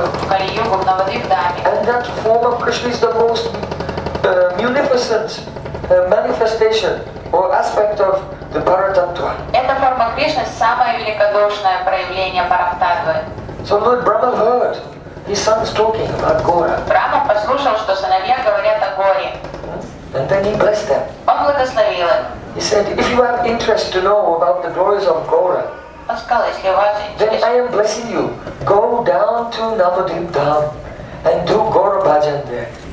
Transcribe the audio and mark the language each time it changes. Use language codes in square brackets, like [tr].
[en] And that form of Krishna is the most munificent manifestation or aspect of the Bharatattva. [ru] Эта форма Кришны самое великодушное проявление Бхарататвы. [en] So Lord Brahma heard his sons talking about Gora. [ru] Brahma послушал, что сыновья говорят о Горе. [en] And then he blessed them. [ru] Он благословил их. [en] He said, if you have interest to know about the glories of Gora, then I am blessing you. Go down to Navadvip Dham and do Gora Bhajan there.